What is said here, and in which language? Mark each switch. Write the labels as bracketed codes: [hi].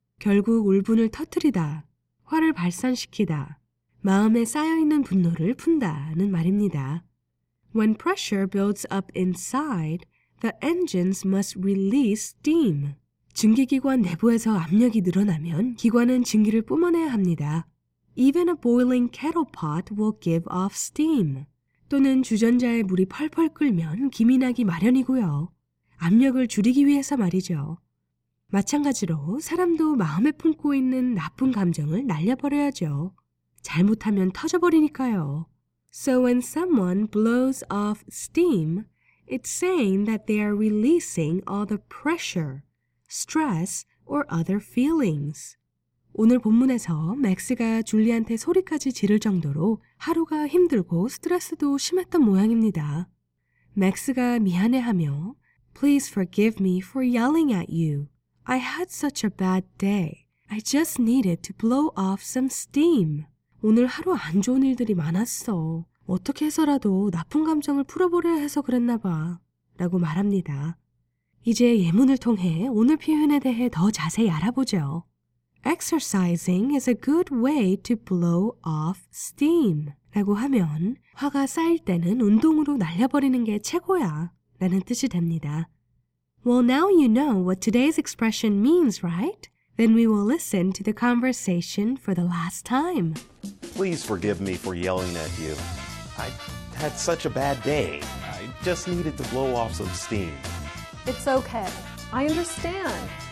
[ko] 결국 울분을 터뜨리다, 화를 발산시키다, 마음에 쌓여있는 분노를 푼다는 말입니다. [en] When pressure builds up inside, the engines must release steam. [ko] 증기기관 내부에서 압력이 늘어나면 기관은 증기를 뿜어내야 합니다. [en] Even a boiling kettle pot will give off steam. [ko] 또는 주전자에 물이 펄펄 끓면 김이 나기 마련이고요. 압력을 줄이기 위해서 말이죠. 마찬가지로 사람도 마음에 품고 있는 나쁜 감정을 날려버려야죠. 잘못하면 터져버리니까요. [en] So when someone blows off steam, it's saying that they are releasing all the pressure. Stress or other feelings. [ko] 오늘 본문에서 맥스가 줄리한테 소리까지 지를 정도로 하루가 힘들고 스트레스도 심했던 모양입니다. 맥스가 미안해하며 [en] Please forgive me for yelling at you. I had such a bad day. I just needed to blow off some steam. [ko] 오늘 하루 안 좋은 일들이 많았어. 어떻게 해서라도 나쁜 감정을 풀어버려야 해서 그랬나 봐. 라고 말합니다. 이제 예문을 통해 오늘 표현에 대해 더 자세히 알아보죠. [en] Exercising is a good way to blow off steam. [ko] 라고 하면 화가 쌓일 때는 운동으로 날려버리는 게 최고야 라는 뜻이 됩니다. [en] Well, now you know what today's expression means, right? Then we will listen to the conversation for the last time. Please forgive me for yelling at you. I had such a bad day. I just needed to blow off some steam. It's okay. I understand.